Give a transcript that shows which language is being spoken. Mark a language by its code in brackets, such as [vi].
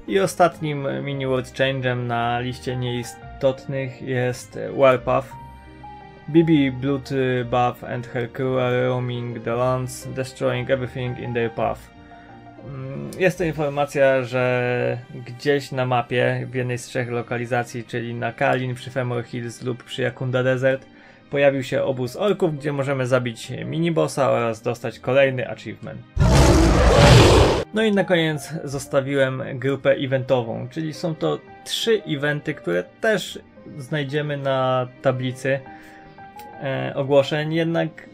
[pl] I ostatnim mini world changem na liście nieistotnych jest Warpath. [en] Bibi, Bloodbath and her crew are roaming the lands, destroying everything in their path. [pl] Jest to informacja, że gdzieś na mapie, w jednej z trzech lokalizacji, czyli na Kalin, przy Femur Hills lub przy Yakunda Desert, pojawił się obóz orków, gdzie możemy zabić minibossa oraz dostać kolejny achievement. No i na koniec zostawiłem grupę eventową, czyli są to trzy eventy, które też znajdziemy na tablicy ogłoszeń, jednak